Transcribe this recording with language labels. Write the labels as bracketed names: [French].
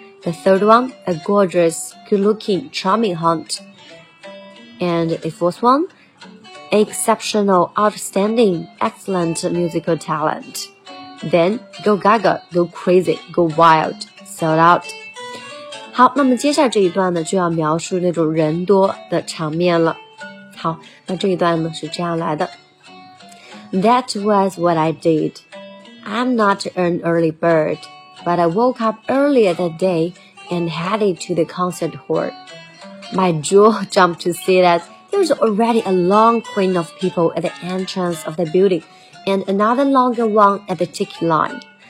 [English] The third one, a gorgeous, good-looking, charming hunt. And the fourth one. Exceptional, outstanding, excellent musical talent. Then go gaga, go crazy, go wild, sold out. [Chinese] 好，那么接下来这一段呢，就要描述那种人多的场面了。好，那这一段呢是这样来的。 [English] That was what I did. I'm not an early bird, but I woke up earlier that day and headed to the concert hall. My jaw jumped to see that. There's already a long queue of people at the entrance of the building, and another longer one at the ticket line.